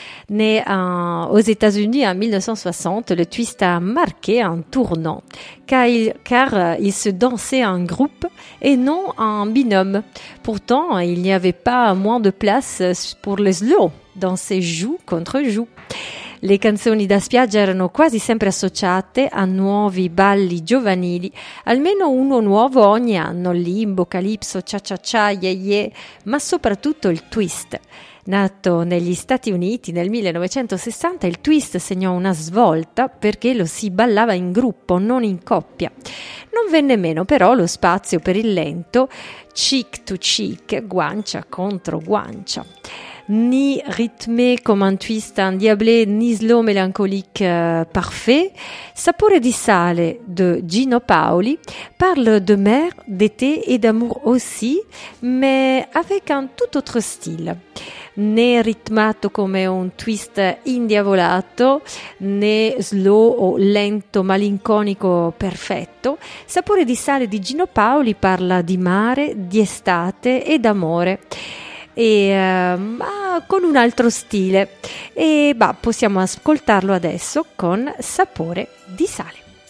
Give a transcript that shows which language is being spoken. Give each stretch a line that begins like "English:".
French: Né aux États-Unis en 1960, le twist a marqué un tournant, car il se dansait en groupe et non en binôme. Pourtant, il n'y avait pas moins de place pour les slow dans ses joues contre joues.
Italian: Le canzoni da spiaggia erano quasi sempre associate a nuovi balli giovanili, almeno uno nuovo ogni anno, Limbo, Calypso, Cha Cha Cha, Ye Ye, ma soprattutto il twist. Nato negli Stati Uniti nel 1960, il twist segnò una svolta perché lo si ballava in gruppo, non in coppia. Non venne meno però lo spazio per il lento
English: cheek to cheek,
Italian: guancia contro guancia.
French: Ni rythmé comme un twist endiablé, ni slow mélancolique parfait, Sapore di sale de Gino Paoli parle de mer, d'été et d'amour aussi, mais avec un tout autre style.
Italian: Né ritmato come un twist indiavolato, né slow o lento, malinconico, perfetto, Sapore di sale di Gino Paoli parla di mare, di estate e d'amore. Ma con un altro stile. Possiamo ascoltarlo adesso con Sapore di sale.